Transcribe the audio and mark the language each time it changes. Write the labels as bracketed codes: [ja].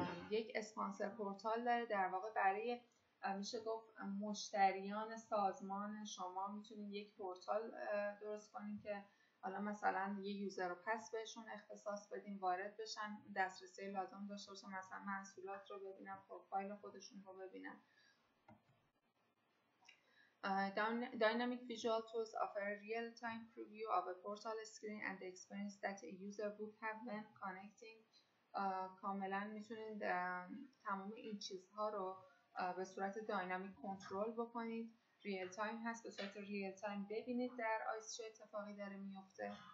[fa] یک اسپانسر پورتال داره، در واقع برای میشه گفت مشتریان سازمان شما میتونید یک پورتال درست کنید که حالا مثلا یه یوزر رو پس بهشون اختصاص بدین، وارد بشن، دسترسی لازم داشته باشن، مثلا محصولات رو ببینن، پروفایل خودشون رو ببینن. [en] Dynamic visual tools offer real time preview of a portal screen and the experience that a user would have when connecting. [fa] کاملا میتونید تمام این چیزها رو به صورت داینامیک کنترل بکنید، ریل تایم هست، به صورت ریل تایم ببینید در آیس چه اتفاقی داره میفته.